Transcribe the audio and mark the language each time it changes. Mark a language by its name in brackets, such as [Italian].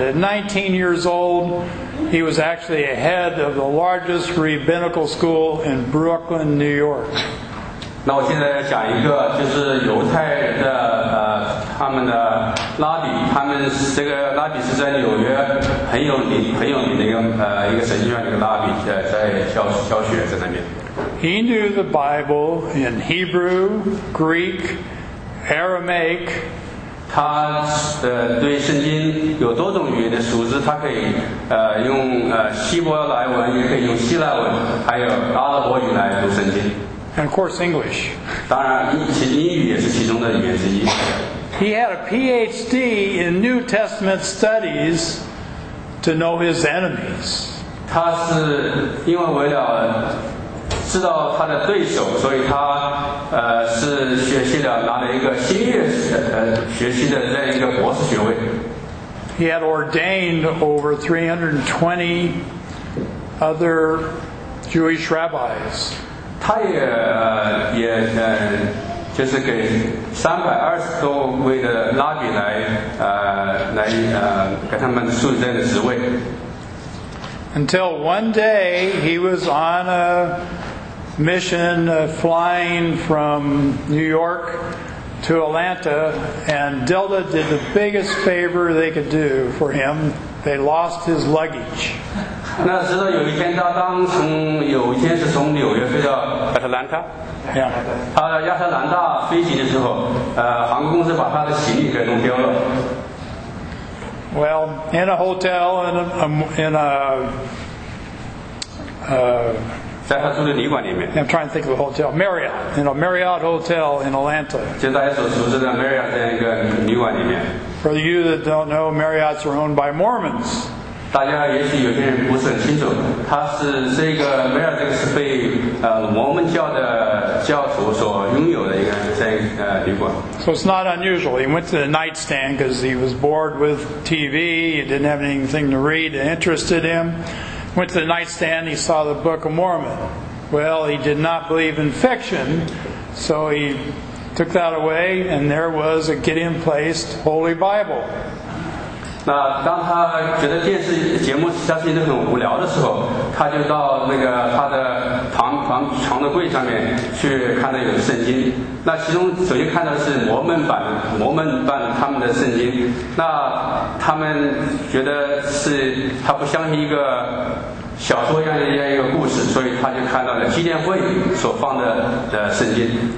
[English] At 19 years old, he was actually a head of the largest rabbinical school in Brooklyn, New York. [Chinese] 那我现在要讲一个，就是犹太人的他们的拉比，他们这个拉比是在纽约很有名的一个神学院的一个拉比，在教学在那边。 [English] He knew the Bible in Hebrew, Greek, Aramaic. [Chinese] 他对圣经有多种语言的熟知，他可以用希伯来文，也可以用希腊文，还有阿拉伯语来读圣经。 [English] And of course, English. [Chinese] 当然，英语也是其中的语言之一。 [English] He had a PhD in New Testament studies to know his enemies. [Chinese] 他是因为为了知道他的对手，所以他是学习了拿了一个新月学习的这样一个博士学位。 [English] He had ordained over 320 other Jewish rabbis. [Chinese] 他也就是给320多位的拉比来给他们竖这样的职位。 [English] Until one day he was on a mission flying from New York to Atlanta, and Delta did the biggest favor they could do for him. They lost his luggage. [Chinese] 那直到有一天，有一天是从纽约飞到亚特兰大。 [English] Yeah. [Chinese] 他亚特兰大飞行的时候，航空公司把他的行李给弄丢了。 [English] Well, in a hotel in a [Chinese] 在他住的旅馆里面。 [English] I'm trying to think of a hotel. Marriott, in a Marriott hotel in Atlanta. [Chinese] 就大家所熟知的 Marriott 在一个旅馆里面。 [English] For you that don't know, Marriotts are owned by Mormons. [Chinese] 大家也许有些人不是很清楚，他是这个梅尔，这个是被摩门教的教徒所拥有的一个在旅馆。 [English] So it's not unusual. He went to the nightstand because he was bored with TV. He didn't have anything to read that interested him. Went to the nightstand. He saw the Book of Mormon. Well, he did not believe in fiction, so he took that away, and there was a Gideon-placed Holy Bible. [Chinese] 那当他觉得电视节目其他事情都很无聊的时候，他就到那个他的床的柜上面去看到有圣经。那其中首先看到是摩门版他们的圣经。那他们觉得是他不相信一个小说一样一个故事，所以他就看到了基甸会所放的圣经。